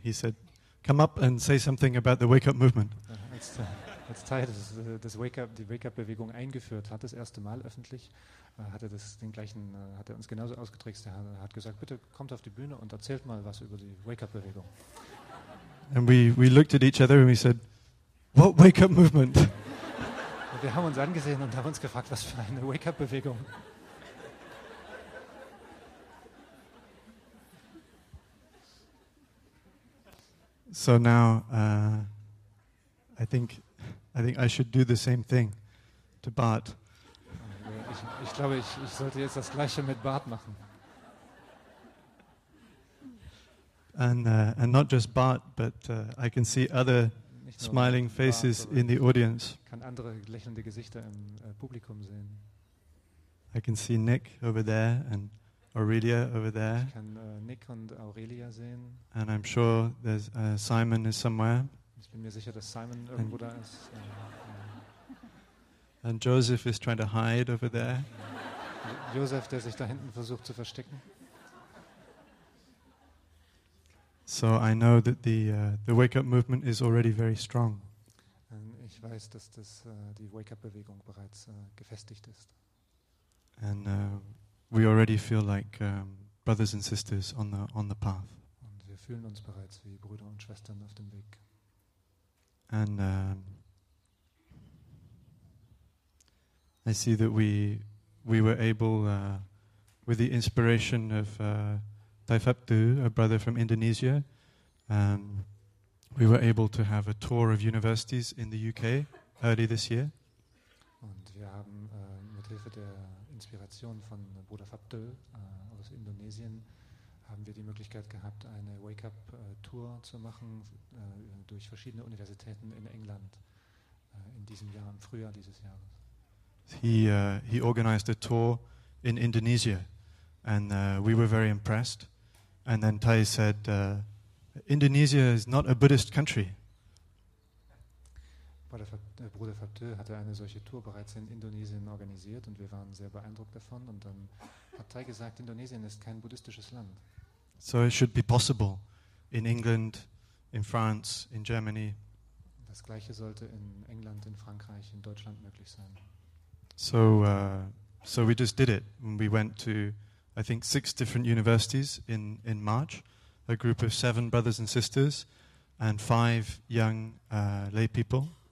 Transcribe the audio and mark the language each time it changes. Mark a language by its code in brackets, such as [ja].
[en] He said, "Come up and say something about the Wake Up Movement." [de] Als Tai die Wake Up Bewegung eingeführt hat, das erste Mal öffentlich, hat er uns genauso ausgetrickst. Er hat gesagt, bitte kommt auf die Bühne und erzählt mal was über die Wake Up Bewegung. [en] And we looked at each other and we said, "What Wake Up Movement?" [de] Wir haben uns angesehen und haben uns gefragt, was für eine Wake Up Bewegung. [en] So now I think I should do the same thing to Bart. [de] Ich glaube, ich sollte jetzt das gleiche mit Bart machen. [en] And not just Bart, but I can see other smiling faces Bart, in the audience. [de] Kann andere lächelnde Gesichter im Publikum sehen. [en] I can see Nick over there and Aurelia over there. [de] Ich kann Nick und Aurelia sehen. [en] And I'm sure there's Simon is somewhere. [de] Ich bin mir sicher, dass Simon irgendwo da ist. [en] And Joseph is trying to hide over there. [de] Joseph, der sich da hinten versucht zu verstecken. [en] So I know that the Wake Up Movement is already very strong. [de] Und ich weiß, dass das die Wake Up Bewegung bereits gefestigt ist. [en] And we already feel like brothers and sisters on the path. [de] Und wir fühlen uns bereits wie Brüder und Schwestern auf dem Weg. [en] And I see that we were able with the inspiration of Tai Fapdu, a brother from Indonesia, we were able to have a tour of universities in the UK early this year. [de] Und wir haben mit Hilfe der Inspiration von Bruder Fapdu aus Indonesien haben wir die Möglichkeit gehabt, eine Wake-up-Tour zu machen durch verschiedene Universitäten in England in diesem Jahr, im Frühjahr dieses Jahres. [en] He organized a tour in Indonesia and we were very impressed. And then Tai said, Indonesia is not a Buddhist country. [de] Bruder Fapdu hatte eine solche Tour bereits in Indonesien organisiert und wir waren sehr beeindruckt davon. Und dann hat Tai gesagt, Indonesien ist kein buddhistisches Land. [en] So it should be possible in England, in France, in Germany. [de] Das Gleiche sollte in England, in Frankreich, in Deutschland möglich sein. [en] So we just did it. We went to, I think, 6 different universities in March, a group of 7 brothers and sisters and 5 young lay people.